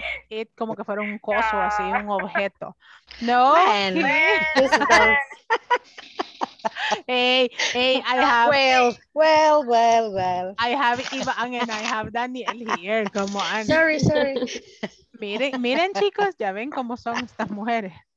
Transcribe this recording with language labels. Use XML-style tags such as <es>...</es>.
<es>It como que fuera un coso, así, un objeto. No.</es> <en>I have Iván and I have Daniel here.</en> <es>Como</es> <en>Ana. Sorry.</en> <es>Miren, chicos, ya ven cómo son estas mujeres.</es>